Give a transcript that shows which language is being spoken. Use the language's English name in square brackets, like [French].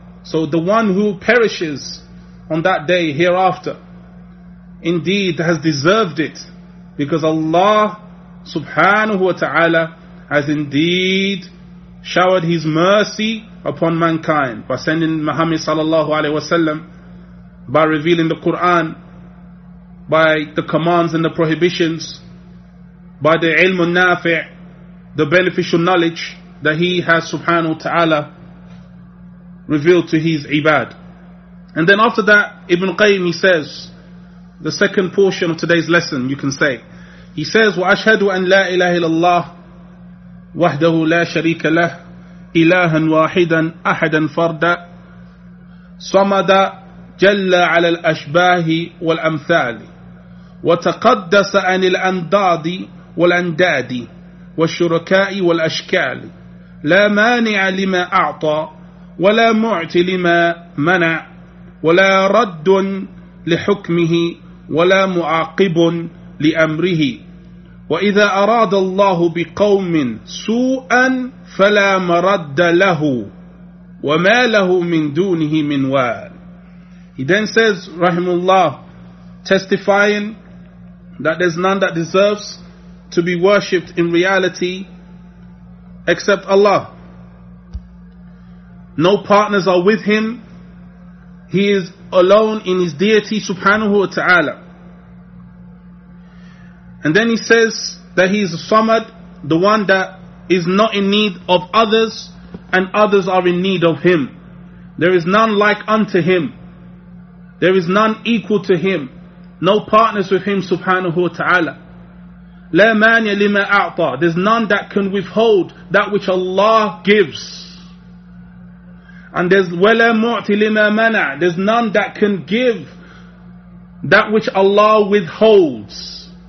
[English] So the one who perishes on that day hereafter, indeed has deserved it, because Allah subhanahu wa ta'ala has indeed showered His mercy upon mankind by sending Muhammad sallallahu alayhi wa sallam, by revealing the Qur'an, by the commands and the prohibitions, by the ilm al-nafi', the beneficial knowledge that He has subhanahu wa ta'ala revealed to His ibad. And then after that, Ibn Qayyim, he says, the second portion of today's lesson, you can say, he says, [Arabic] وَأَشْهَدُ أَنْ لَا إِلَهِ لَلَّهِ وَحْدَهُ لَا شَرِيكَ لَهِ إِلَهًا وَاحِدًا أَحَدًا فَرْدًا صَمَدًا جَلَّ عَلَى الْأَشْبَاهِ وَالْأَمْثَالِ وَتَقَدَّسَ عَنِ الْأَنْدَادِ وَالْأَنْدَادِ وَالشُّرَكَاءِ وَالْأَشْكَالِ لَا مَانِعَ لِمَا أَعْطَى وَلَا مُعْتِي لِمَا مَنَعَ وَلَا رَدٌّ لِحُكْمِهِ وَلَا مُعَاقِبٌ لِأَمْرِهِ وَإِذَا أَرَادَ اللَّهُ بِقَوْمٍ سُوءًا فَلَا مَرَدَّ لَهُ وَمَا لَهُ مِنْ دُونِهِ مِنْ وَالٍ. [English] He then says, Rahimullah, testifying that there's none that deserves to be worshipped in reality except Allah. No partners are with Him. He is alone in His deity subhanahu wa ta'ala. And then he says that he is a samad, the one that is not in need of others, and others are in need of him. There is none like unto him. There is none equal to him. No partners with him subhanahu wa ta'ala. [Arabic] لَا مَانِيَ لِمَا أَعْطَى. [English] There's none that can withhold that which Allah gives. And there's [Arabic] وَلَا مُعْتِ لِمَا مَنَعْ. [English] There's none that can give that which Allah withholds.